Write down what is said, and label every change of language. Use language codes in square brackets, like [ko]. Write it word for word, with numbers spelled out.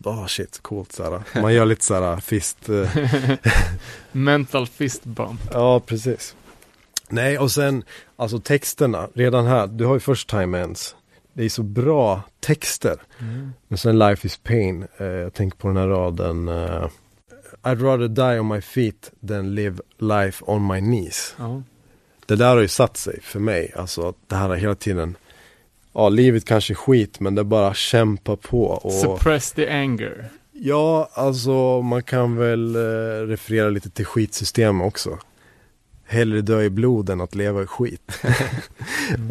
[sv] Åh, oh, shit, coolt såhär. Man gör lite såhär fist... [en] Mental fist bump. [sv] Ja, precis. Nej, och sen, alltså texterna, redan här, du har ju First Time Ends. Det är så bra texter. Mm. Men sen Life is Pain. Eh, jag tänker på den här raden. [en] Eh, I'd rather die on my feet than live life on my knees. Mm. [sv] Det där har ju satt sig för mig. Alltså, det här har hela tiden... Ja, livet kanske är skit, men det är bara kämpa på. Och... [en] Suppress the anger. [sv] Ja, alltså man kan väl eh, referera lite till skitsystem också. Hellre dö i blod än att leva i skit. Mm.